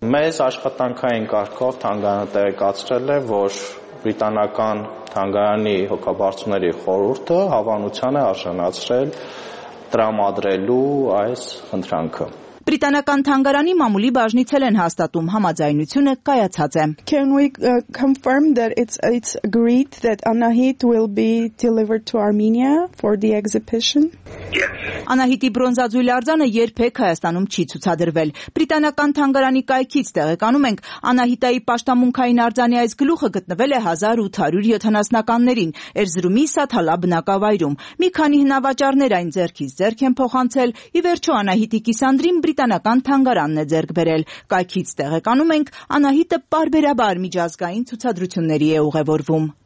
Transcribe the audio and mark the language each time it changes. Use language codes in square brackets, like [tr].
[hy] Մեզ աշխատանքային կարգով թանգարանը տեղեկացրել է, որ բրիտանական թանգարանի հոգաբարձուների խորհուրդը հավանության է արժանացրել տրամադրելու այս խնդրանքը։ Բրիտանական թանգարանի մամուլի բաժնից են հաստատում, համաձայնությունը կայացած է։ [en] Can we confirm that it's agreed that Anahit will be delivered to Armenia for the exhibition? [hy] Անահիտի բրոնզաձույլ արձանը երբեք Հայաստանում չի ցուցադրվել։ Բրիտանական թանգարանի կայքից տեղեկանում ենք, Անահիտայի պաշտամունքային արձանի այս գլուխը գտնվել է 1870-ականներին Էրզրումի Սաթալա բնակավայրում։ Մի քանի հնավաճառներ այն ձեռքից ձեռք են փոխանցել, ի վերջո Անահիտի կիսանդրին Բրիտանական թանգարանն է ձեռք բերել։ Կայքից տեղեկանում ենք, Անահիտը պարբերաբար միջազգային ցուցադրությունների է ուղևորվում։